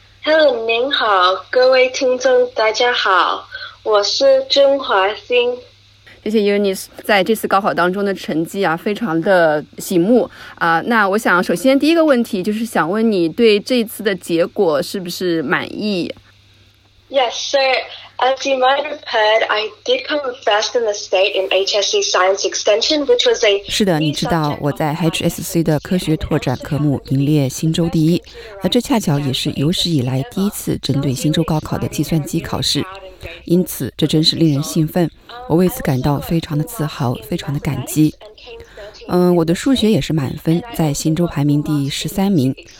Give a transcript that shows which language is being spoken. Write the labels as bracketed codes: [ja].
[zh] Hello， 您好，各位听众大家好，我是郑华欣。谢谢 Eunice 在这次高考当中的成绩啊，非常的醒目啊。那我想首先第一个问题就是想问你对这次的结果是不是满意？ [en] Yes, sir. As you might have heard, I did come first in the state in HSC Science Extension, which was a. [zh] 是的，你知道我在 HSC 的科学拓展科目名列新州第一，而这恰巧也是有史以来第一次针对新州高考的计算机考试，因此这真是令人兴奋。我为此感到非常的自豪，非常的感激。我的数学也是满分，在新州排名第13名。